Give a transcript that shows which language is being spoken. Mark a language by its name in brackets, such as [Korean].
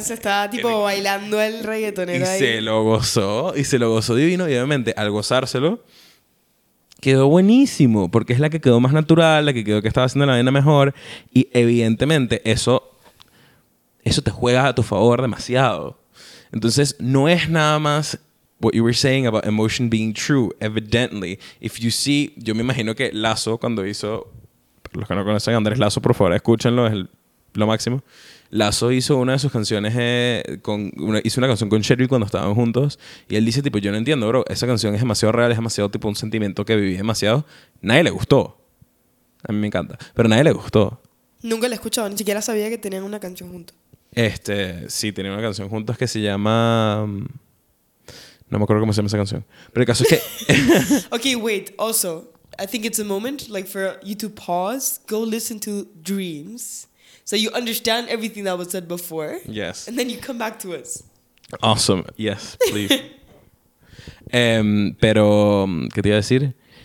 [Spanish] Se estaba tipo el, bailando el reggaetonero y ahí. Y se lo gozó. Y se lo gozó divino. Y obviamente al gozárselo, quedó buenísimo. Porque es la que quedó más natural, la que quedó que estaba haciendo la vaina mejor. Y evidentemente eso te juega a tu favor demasiado. Entonces no es nada más [English] what you were saying about emotion being true. Evidently, if you see, [Spanish] yo me imagino que Lazo, cuando hizo, para los que no conocen a Andrés Lazo, por favor, escúchenlo, es lo máximo. Lazo hizo una de sus canciones hizo una canción con Sherry cuando estaban juntos, y él dice, tipo, yo no entiendo, bro, esa canción es demasiado real, es demasiado, tipo, un sentimiento que viví demasiado. Nadie le gustó. A mí me encanta, pero nadie le gustó. Nunca la he escuchado, ni siquiera sabía que tenían una canción juntos. Sí, tenían una canción juntos que se llama, no me acuerdo cómo se llama esa canción. Pero el caso es que... [English] Okay, wait. Also, I think it's a moment like for you to pause, go listen to Dreams, so you understand everything that was said before. Yes. And then you come back to us. Awesome. Yes, please. [Spanish] pero, ¿qué te iba a decir?